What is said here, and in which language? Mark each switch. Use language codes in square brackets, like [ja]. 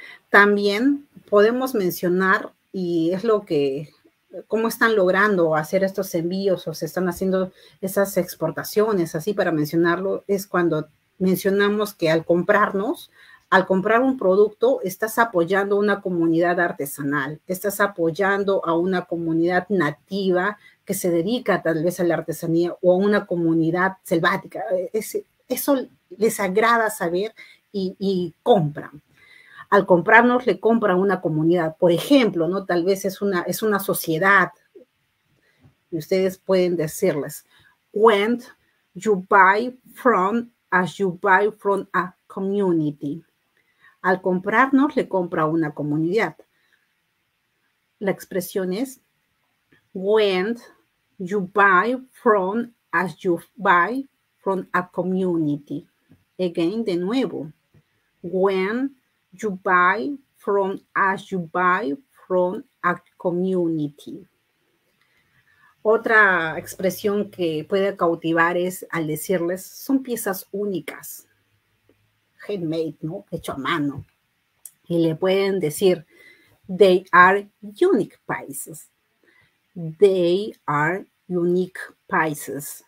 [es] También podemos mencionar, y es lo que, cómo están logrando hacer estos envíos o se están haciendo esas exportaciones, así para mencionarlo, es cuando mencionamos que al comprar un producto, estás apoyando una comunidad artesanal, estás apoyando a una comunidad nativa que se dedica tal vez a la artesanía, o a una comunidad selvática. Eso les agrada saber y compran. Al comprarnos, le compran una comunidad. Por ejemplo, ¿no?, tal vez es una sociedad. Y ustedes pueden decirles, [en] when you buy from, as you buy from a community. [es] Al comprarnos, le compra una comunidad. La expresión es, [en] when you buy from, as you buy from a community. Again, [es] de nuevo. [en] When you buy from, as you buy from a community. [es] Otra expresión que puede cautivar es al decirles, son piezas únicas. Handmade, ¿no? Hecho a mano. Y le pueden decir, [en] they are unique pieces. They are unique pieces.